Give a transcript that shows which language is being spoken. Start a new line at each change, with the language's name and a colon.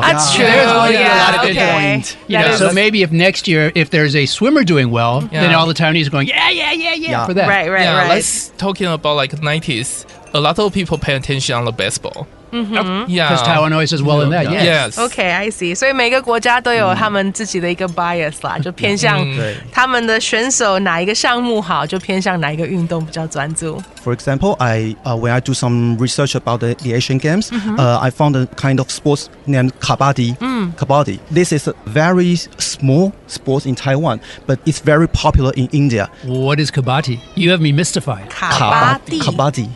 English: That's true. There's going to be a lot of good points. Yeah, so maybe if next year... If there's a swimmer doing well, then all the Taiwanese are going, yeah, for that. Right. Let's talking about like 90s, a lot of people pay attention on the baseball. Because Taiwan always does well in that, yes. Okay, I see.
Chinese: 所以每个国家都有他们自己的一个 bias 啦，就偏向他们的选手哪一个项目好，就偏向哪一个运动比较专注。
English: For example, when I do some research about the Asian Games, I found a kind of sports named kabaddi. Kabaddi. This is a very small sport in Taiwan, but it's very popular in India. What is kabaddi? You have me mystified. Kabaddi.